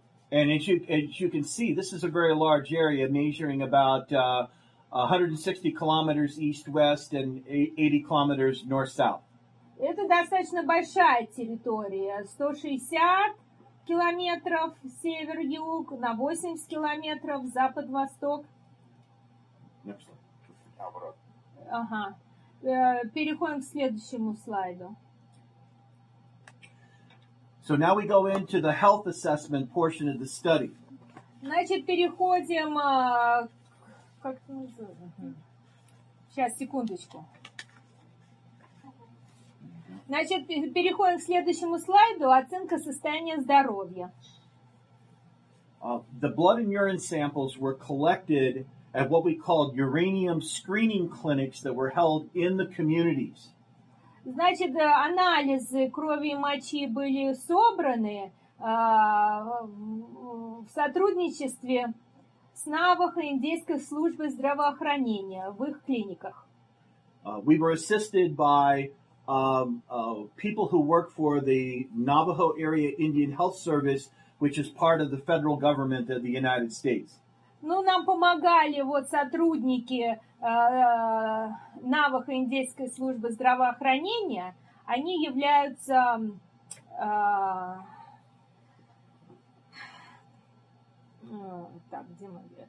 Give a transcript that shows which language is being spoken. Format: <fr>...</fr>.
<en>And as you can see, this is a very large area measuring about 160 kilometers east-west and 80 kilometers north-south.</en> <ru>Это достаточно большая территория, 160 километров север-юг, на 80 километров запад-восток. Ага. Переходим к следующему слайду.</ru> <en>So now we go into the health assessment portion of the study.</en> <ru>Значит, переходим как это называется? Сейчас, секундочку. Значит, переходим к следующему слайду. Оценка состояния здоровья.</ru> <en>The blood and urine samples were collected at what we called uranium screening clinics that were held in the communities.</en> <ru>Значит, анализы крови и мочи были собраны в сотрудничестве с НАВОХ и Индейской службой здравоохранения в их клиниках.</ru> <en>We were assisted by people who work for the Navajo Area Indian Health Service, which is part of the federal government of the United States.</en> <ru>Ну, нам помогали вот сотрудники Навахо Индейской службы здравоохранения. Они являются так, где мы?</ru>